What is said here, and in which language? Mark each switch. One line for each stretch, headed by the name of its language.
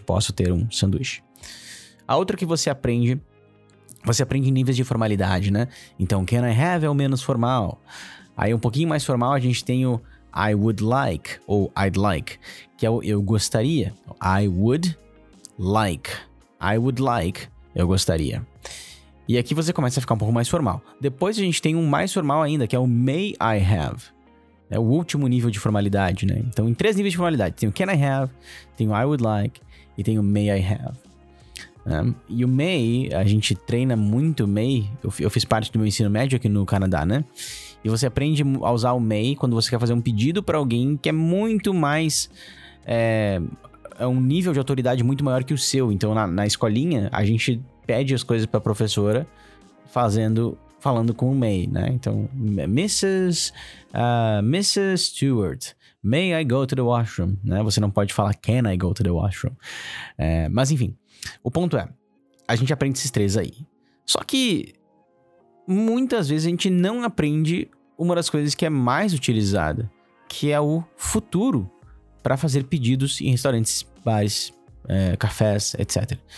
Portuguese: Posso ter um sanduíche? A outra que você aprende em níveis de formalidade, né? Então,
English: can I have
Portuguese: é o menos formal. Aí, um pouquinho mais formal, a gente tem o
English: I would like,
Portuguese: ou
English: I'd like,
Portuguese: que é o eu gostaria.
English: I would like. I would like, eu gostaria.
Portuguese: E aqui você começa a ficar um pouco mais formal. Depois a gente tem um mais formal ainda, que é o
English: may I have.
Portuguese: É o último nível de formalidade, né? Então, em três níveis de formalidade, tem o
English: can I have,
Portuguese: tem o
English: I would like
Portuguese: e tem o
English: may I have.
Portuguese: E o may, a gente treina muito may, eu fiz parte do meu ensino médio aqui no Canadá, né? E você aprende a usar o may quando você quer fazer um pedido pra alguém que é muito mais, é um nível de autoridade muito maior que o seu. Então, na escolinha, a gente pede as coisas pra professora falando com o may, né?
English: Então, Mrs. Stewart, may I go to the washroom, né?
Portuguese: Você não pode falar
English: can I go to the washroom.
Portuguese: Mas enfim, o ponto é, a gente aprende esses três aí. Só que muitas vezes a gente não aprende uma das coisas que é mais utilizada, que é o futuro para fazer pedidos em restaurantes, bares, cafés, etc.